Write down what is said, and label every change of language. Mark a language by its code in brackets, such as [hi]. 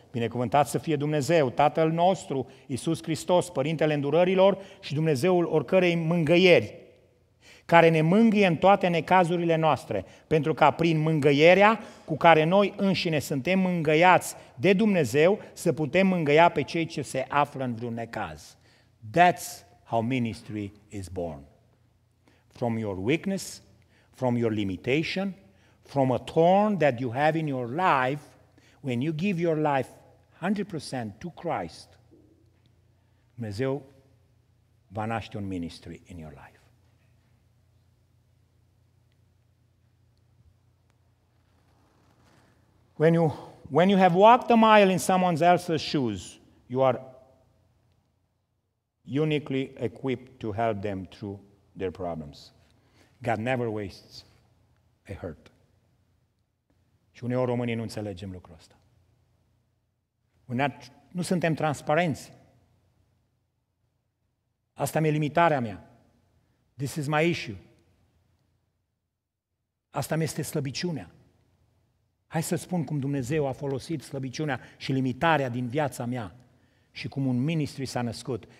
[ro] Binecuvântat să fie Dumnezeu, Tatăl nostru, Iisus Hristos, Părintele îndurărilor și Dumnezeul oricărei mângăieri, care ne mângâie în toate necazurile noastre, pentru ca prin mângăierea cu care noi înșine suntem mângăiați de Dumnezeu, să putem mângâia pe cei ce se află în vreun necaz. [en] That's how ministry is born. From your weakness, from your limitation, from a thorn that you have in your life, when you give your life 100% to Christ, [ro] Dumnezeu va naște un ministry [en] in your life. When you have walked a mile in someone else's shoes, you are uniquely equipped to help them through their problems. God never wastes a hurt. [ro] Și uneori românii nu înțelegem lucrul ăsta. Nu suntem transparenți. Asta mi-e limitarea mea. [en] This is my issue. [ro] Asta mi-este slăbiciunea. Hai să spun cum Dumnezeu a folosit slăbiciunea și limitarea din viața mea și cum un ministry s-a născut.